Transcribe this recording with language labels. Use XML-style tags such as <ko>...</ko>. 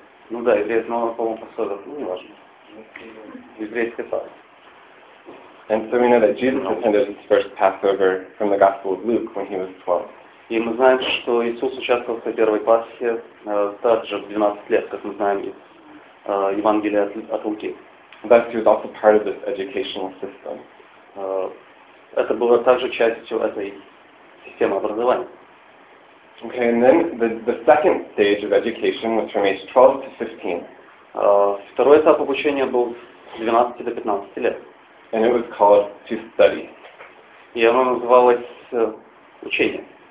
<ru>Ну да, еврейское, но, по-моему, пособие, ну, не важно. Еврейское пособие.</ru> <en>And so we know that Jesus attended his first Passover from the Gospel of Luke when he was 12.</en> <ru>И мы знаем, что Иисус участвовал в своей первой Пасхе также в 12 лет, как мы знаем из Евангелия от Луки.</ru> <en>Thus he was also part of this educational system.</en> <ru>Это было также частью этой системы образования.</ru> <en>Okay, and then the second stage of education was from age 12 to 15.</en> <ru>Второй этап обучения был с 12 до 15 лет.</ru> <en>And it was called to study.</en> <ru>И оно называлось учение.</ru>